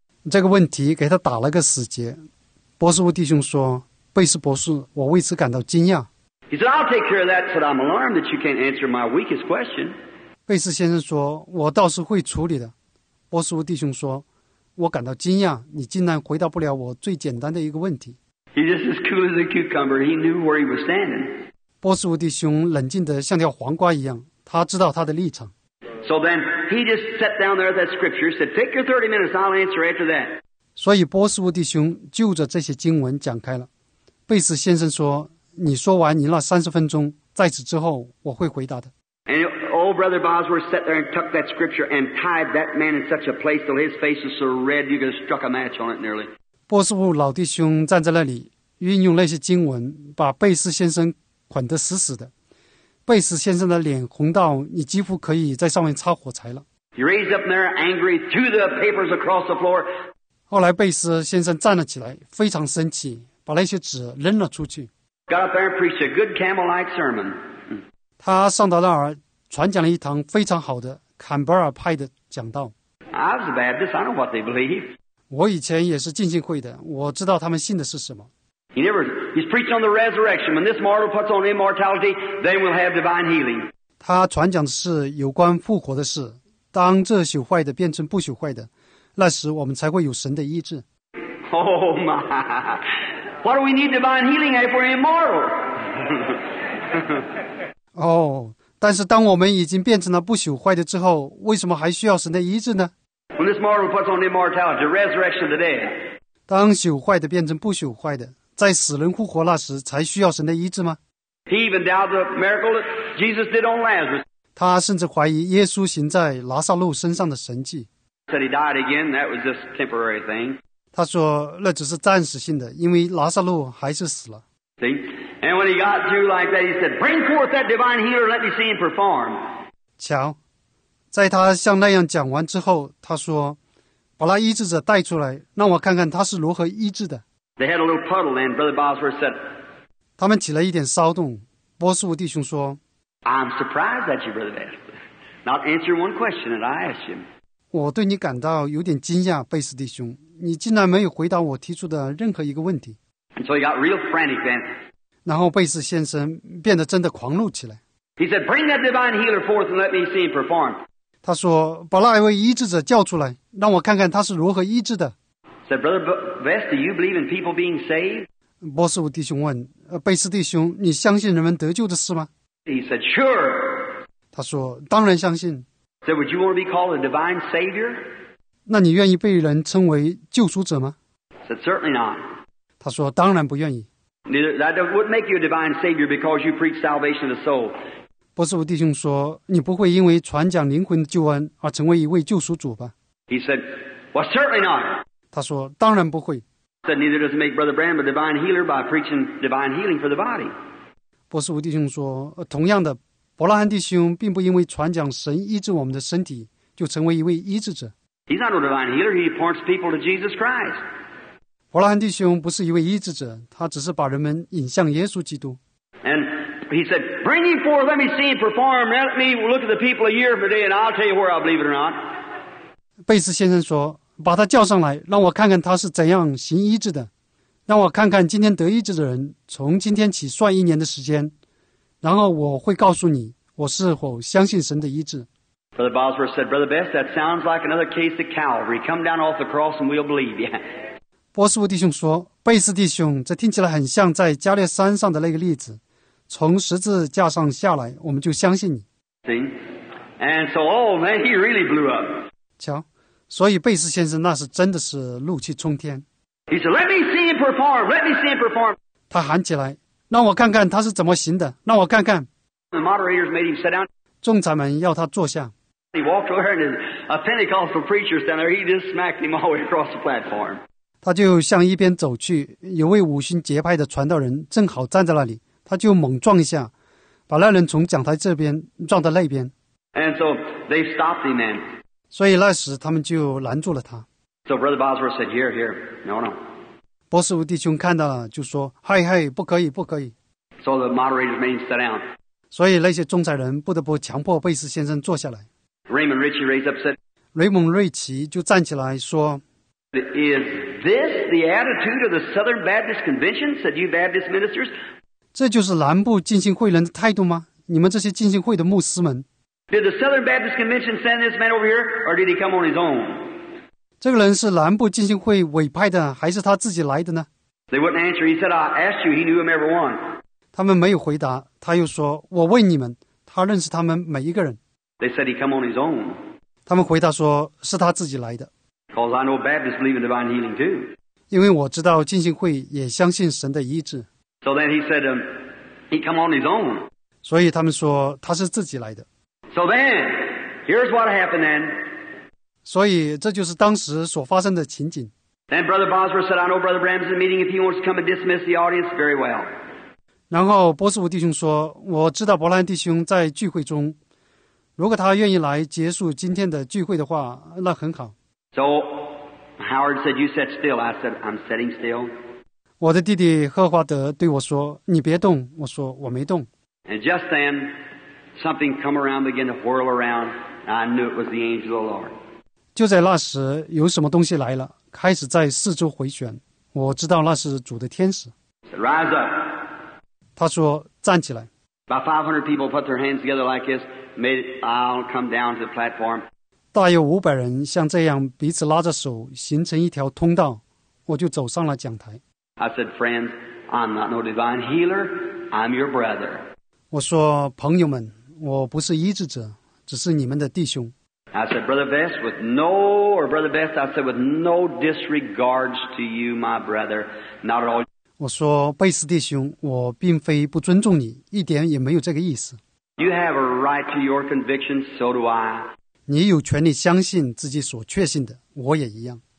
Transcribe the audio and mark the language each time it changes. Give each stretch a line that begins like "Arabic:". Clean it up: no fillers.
Chinese: 这个问题给他打了个死结。博士沃弟兄说，贝斯博士，我为此感到惊讶。
English: He said, "I'll take care of that, but I'm alarmed that you can't answer my weakest question."
Chinese: 贝斯先生说，我倒是会处理的。博士沃弟兄说，我感到惊讶，你竟然回答不了我最简单的一个问题。
English: He just as cool as a cucumber. He knew where he was standing.
Chinese: 波斯沃弟兄冷静得像条黄瓜一样，他知道他的立场。
English: So then he just sat down there at that scripture, said, "Take your 30 minutes. I'll answer after that."
Chinese: 所以波斯沃弟兄就着这些经文讲开了。贝斯先生说，你说完你那30分钟，在此之后我会回答的。
English: And old Brother Bosworth sat there and tucked that scripture and tied that man in such a place till his face was so red you could have struck a match on it nearly.
Chinese: 波斯沃老弟兄站在那里，运用那些经文把贝斯先生捆得死死的。贝斯先生的脸红到你几乎可以在上面插火柴了。
English: He raised up there angry, threw the papers across the floor.
Chinese: 后来贝斯先生站了起来，非常生气，把那些纸扔了出去。
English: Got up there and preached a good camel-like sermon.
Chinese: 他上到那儿传讲了一堂非常好的坎贝尔派的讲道。
English: I was a Baptist, I know what they believe.
Chinese: 我以前也是浸信会的，我知道他们信的是什么。
English: He's preaching on the resurrection. When this mortal puts on immortality, then we'll have divine healing.
Chinese: 他传讲的是有关复活的事，当这朽坏的变成不朽坏的，那时我们才会有神的医治。
English: Oh my! Why do we need divine healing if we're immortal?
Chinese: 哦、
English: oh,
Chinese: ，但是当我们已经变成了不朽坏的之后，为什么还需要神的医治呢？
English: When this mortal puts on immortality, the resurrection of the dead.
Chinese: 当朽坏的变成不朽坏的，在死人复活那时才需要神的医治吗？
English: He even doubted the miracle that Jesus did on Lazarus.
Chinese: 他甚至怀疑耶稣行在拿撒路身上的神迹。
English: Said he died again, that was just a temporary thing.
Chinese: 他说那只是暂时性的，因为拿撒路还是死了。
English: See? And when he got through like that, he said, "Bring forth that divine healer, let me see him perform."
Chinese: 瞧，在他像那样讲完之后，他说，把那医治者带出来，让我看看他是如何医治的。
English: They had a little puddle, and Brother Bosworth said,
Chinese: 他们起了一点骚动，波斯沃弟兄说，
English: "I'm surprised at you, Brother Beth, not answering one question that I asked him."
Chinese: 我对你感到有点惊讶，贝斯弟兄，你竟然没有回答我提出的任何一个问题。
English: And so he got real frantic then.
Chinese: 然后贝斯先生变得真的狂怒起来。
English: He said, bring that divine healer forth and let me see him perform.
Chinese: 他说把那位医治者叫出来让我看看他是如何医治的。
English: He said, Brother Vest, do you believe in people being saved?
Chinese: 波斯伍弟兄问贝斯弟兄你相信人们得救的事吗
English: He said, sure.
Chinese: 他说当然相信。
English: He said, would you want to be called a divine savior?
Chinese: 那你愿意被人称为救赎者吗
English: He said, certainly not.
Chinese: 他说当然不愿意。
English: That would make you a divine savior because you preach salvation of the soul.
Chinese: 波斯伍弟兄说你不会因为传讲灵魂的救恩而成为一位救赎主吧
English: He said, well, certainly not.
Chinese: 他说当然不会。
English: He said, neither does it make Brother Branham a divine healer by preaching divine healing for the body.
Chinese: 波斯伍弟兄说同样的伯拉罕弟兄并不因为传讲神医治我们的身体就成为一位医治者。
English: He's not a divine healer, he points people to Jesus Christ.
Chinese: 伯拉罕弟兄不是一位医治者他只是把人们引向耶稣基督。
English: And he said, bring him forth, let me see him perform, let me look at the people a year from today and I'll tell you where I believe it or not.
Chinese: 贝斯先生说把他叫上来让我看看他是怎样行医治的让我看看今天得医治的人从今天起算一年的时间然后我会告诉你我是否相信神的医治
English: Brother Bosworth said Brother Best that sounds like another case of Calvary come down off the cross and we'll believe you
Chinese: 波斯伍弟兄说贝斯弟兄这听起来很像在加略山上的那个例子从十字架上下来我们就相信你
English: And so oh man he really blew up
Chinese: 瞧所以贝斯先生那是真的是怒气冲天。
English: He said, let me see him perform, let me see him perform.
Chinese: 他喊起来让我看看他是怎么行的让我看看。
English: The moderators made him sit down.
Chinese: 仲裁们要他坐下。
English: He walked over and a Pentecostal preacher stand there, he just smacked him all the way across the platform.
Chinese: 他就向一边走去有位五旬节派的传道人正好站在那里他就猛撞一下把那人从讲台这边撞到那边。
English: And so they stopped him then.
Chinese: 所以那时他们就拦住了他。
English: So Brother Bosworth said, here, here, no, no.
Chinese: 波斯伍弟兄看到了就说嗨嗨不可以不可以。
English: So the moderators made him sit down.
Chinese: 所以那些仲裁人不得不强迫贝斯先生坐下来。
English: Raymond Ritchie raised up said,
Chinese: 雷蒙瑞奇就站起来说
English: Is this the attitude of the Southern Baptist Convention? Said you Baptist ministers.
Chinese: 这就是南部浸信会人的态度吗你们这些浸信会的牧师们。
English: Did the Southern Baptist Convention send this man over here, or did he come on his own?
Chinese: 这个人是南部浸信会委派的，还是他自己来的呢
English: ？They wouldn't answer. He said, "I asked you. He knew him every one."
Chinese: 他们没有回答。他又说：“我问你们，他认识他们每一个人。
English: ”They said he come on his own.
Chinese: 他们回答说：“是他自己来的。
English: ”Because I know Baptists believe in divine healing too.
Chinese: 因为我知道浸信会也相信神的医治。
English: So then he said, "He come on his own."
Chinese: 所以他们说他是自己来的。
English: So then, here's what happened then.
Chinese: 所以这就是当时所发生的情景。
English: Then Brother Bosworth said, I know Brother Branham's in a meeting. If he wants to come and dismiss the audience, very well.
Chinese: 然后波斯伍弟兄说我知道伯兰弟兄在聚会中。如果他愿意来结束今天的聚会的话那很好。
English: So Howard said, you sit still. I said, I'm sitting still.
Chinese: 我的弟弟赫华德对我说你别动。我说我没动。
English: And just then,Something come around, began to whirl around, and I knew it was the angel of the Lord.
Chinese: 就在那时，有什么东西来了，开始在四周回旋。我知道那是主的天使。 Said, Rise up. 他说，站起来。 About 500 people put their hands together like this, made aisle come down to the platform. 大约500人像这样彼此拉着手，形成一条通道。我就走上了讲台。
English: I said, friends, I'm not no divine healer, I'm your brother.
Chinese: 我说，朋友们。我不是医治者，只是你们的弟兄。
English: I said, Brother Best, with no, or Brother Best, I said, with no disregards to you, my brother, not at all.
Chinese: 我说，贝斯弟兄，我并非不尊重你，一点也没有这个意思。
English: You have a right to your conviction, so do I.
Chinese: 你有权利相信自己所确信的，我也一样。